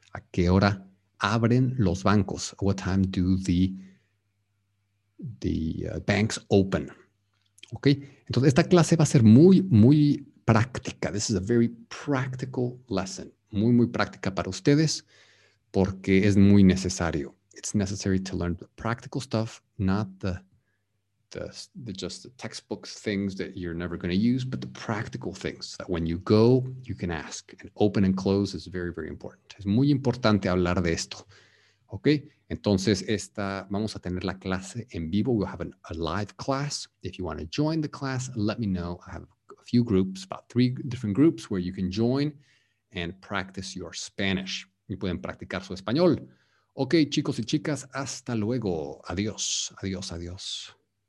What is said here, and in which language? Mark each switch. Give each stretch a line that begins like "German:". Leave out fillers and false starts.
Spanish: ¿A qué hora abren los bancos?
English: What time do the banks open? Okay.
Spanish: Entonces, esta clase va a ser muy, muy práctica.
English: This is a very practical lesson.
Spanish: Muy, muy práctica para ustedes porque es muy necesario.
English: It's necessary to learn the practical stuff, not the just the textbook things that you're never going to use, but the practical things that when you go, you can ask. And open and close is very, very important.
Spanish: Es muy importante hablar de esto. Okay, entonces esta vamos a tener la clase en vivo.
English: We'll have a live class. If you want to join the class, let me know. I have a few groups, about 3 different groups where you can join and practice your Spanish.
Spanish: Y pueden practicar su español. Okay, chicos y chicas, hasta luego. Adiós. Adiós, adiós.